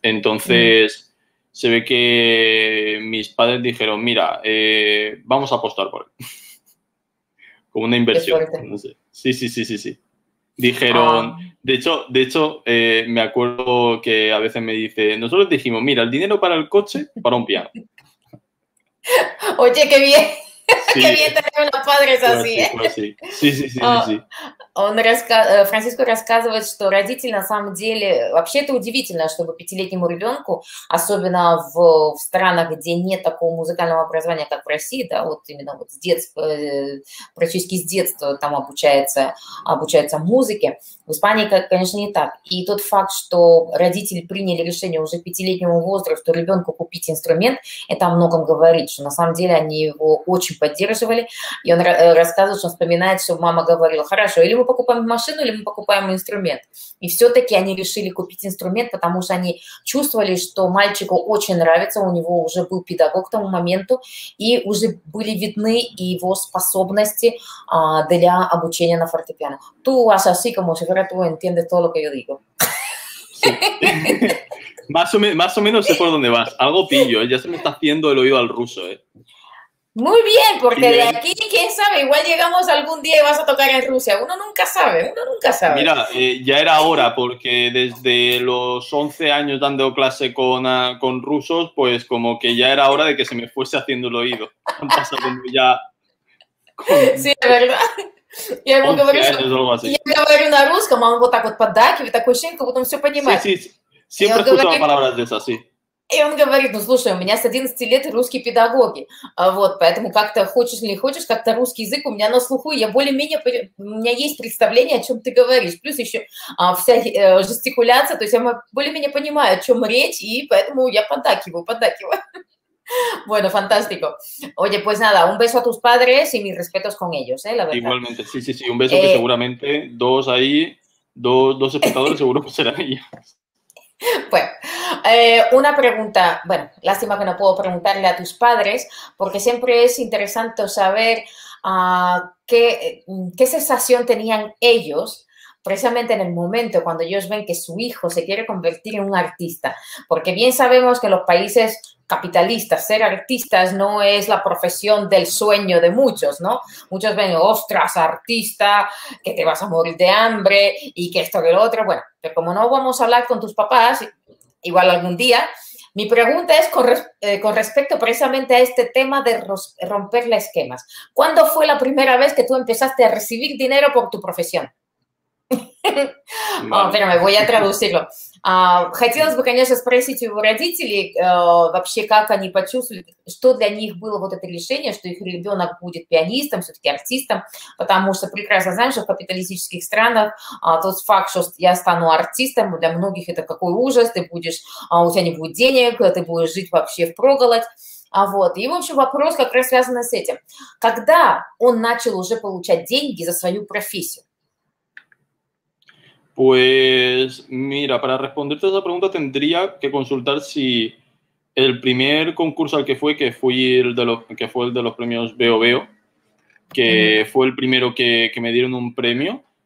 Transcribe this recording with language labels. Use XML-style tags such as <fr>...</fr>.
<es>Entonces, se ve que mis padres dijeron, mira, vamos a apostar por él. Como una inversión. No sé. Sí. Dijeron, de hecho, me acuerdo que a veces me dice, nosotros dijimos, mira, el dinero para el coche, para un piano. Oye, qué bien. Sí. Qué bien tener unos padres así. Sí.</es> <ru>Francisco рассказывает, что родители на самом деле, вообще-то удивительно, чтобы 5-летнему ребенку, особенно в странах, где нет такого музыкального образования, как в России, да, вот именно вот с детства, практически с детства там обучается музыке, в Испании, конечно, не так. И тот факт, что родители приняли решение уже 5-летнему возрасту ребенку купить инструмент, это о многом говорит, что на самом деле они его очень поддерживали, и он рассказывает, что он вспоминает, что мама говорила, хорошо, или мы покупаем машину, или мы покупаем инструмент. И все-таки они решили купить инструмент, потому что они чувствовали, что мальчику очень нравится, у него уже был педагог к тому моменту, и уже были видны его способности для обучения на фортепиано.</ru> <es>Tú vas así, como si fuera tú, entiendes todo lo que yo digo. Sí. más o menos sé por dónde vas. Algo pillo, ¿eh? Ya se me está haciendo el oído al ruso, ¿eh? Muy bien, porque de aquí, quién sabe, igual llegamos algún día y vas a tocar en Rusia. Uno nunca sabe. Mira, ya era hora, porque desde los 11 años dando clase con rusos, pues como que ya era hora de que se me fuese haciendo el oído. Han pasado ya... Sí, es verdad.</es> <ru>Я ему говорю, я говорю на русском, а он вот так вот поддакивает, такой шинка, потом все понимает.</ru> <es>Sí. Siempre escucho palabras de esas, sí.</es> <ru>И он говорит, ну, слушай, у меня с 11 лет русские педагоги. Вот, поэтому как-то хочешь или не хочешь, как-то русский язык у меня на слуху, я более-менее, у меня есть представление, о чем ты говоришь. Плюс еще вся жестикуляция, то есть я более-менее понимаю, о чем речь, и поэтому я поддакиваю.</ru> <es>Bueno, fantástico. Oye, pues nada, un beso a tus padres y mis respetos con ellos, la verdad. Igualmente, sí, un beso que seguramente dos ahí, dos espectadores seguro que serán ellos. Bueno, una pregunta, bueno, lástima que no puedo preguntarle a tus padres, porque siempre es interesante saber qué sensación tenían ellos precisamente en el momento cuando ellos ven que su hijo se quiere convertir en un artista, porque bien sabemos que los países capitalistas, ser artistas no es la profesión del sueño de muchos, ¿no? Muchos ven, ostras, artista, que te vas a morir de hambre y que esto que lo otro. Bueno, pero como no vamos a hablar con tus papás, igual algún día, mi pregunta es con respecto precisamente a este tema de romper los esquemas. ¿Cuándo fue la primera vez que tú empezaste a recibir dinero por tu profesión? Vale. Bueno, espérame, voy a traducirlo. Хотелось бы, конечно, спросить у родителей вообще, как они почувствовали, что для них было вот это решение, что их ребенок будет пианистом, все-таки артистом, потому что прекрасно знаем, что в капиталистических странах тот факт, что я стану артистом, для многих это какой ужас, ты будешь, у тебя не будет денег, ты будешь жить вообще впроголодь. Вот. И, в общем, вопрос как раз связан с этим. Когда он начал уже получать деньги за свою профессию? Pues mira, para responderte a esa pregunta tendría que consultar si el primer concurso al que fue, que fue el de los premios Veo Veo, que fue el primero que me dieron un premio,</es>